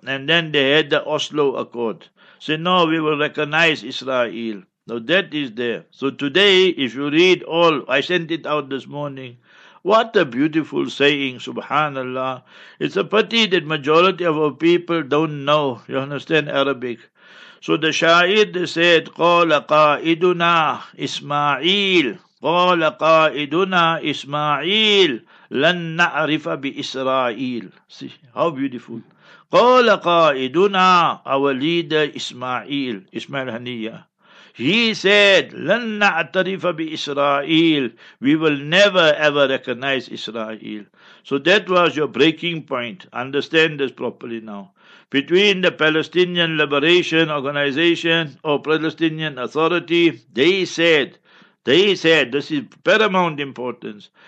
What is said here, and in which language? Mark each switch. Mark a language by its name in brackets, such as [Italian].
[English] And then they had the Oslo Accord. Say, no, we will recognize Israel. Now that is there. So today, if you read all, I sent it out this morning. What a beautiful saying, subhanallah. It's a pity that majority of our people don't know, you understand, Arabic. So the Shair, they said, [Arabic] قَالَ قَائِدُنَا إِسْمَعِيلُ قَالَ قَائِدُنَا إِسْمَعِيلُ لَنْ نَعْرِفَ بِإِسْرَائِيلُ. [English] See, how beautiful. [Arabic] قال قائدنا أوليد إسماعيل إسماعيل هنية. [English] He said, [Arabic] لن نعترف بإسرائيل. [English] We will never ever recognize Israel. So that was your breaking point. Understand this properly now. Between the Palestinian Liberation Organization or Palestinian Authority, they said, this is paramount importance.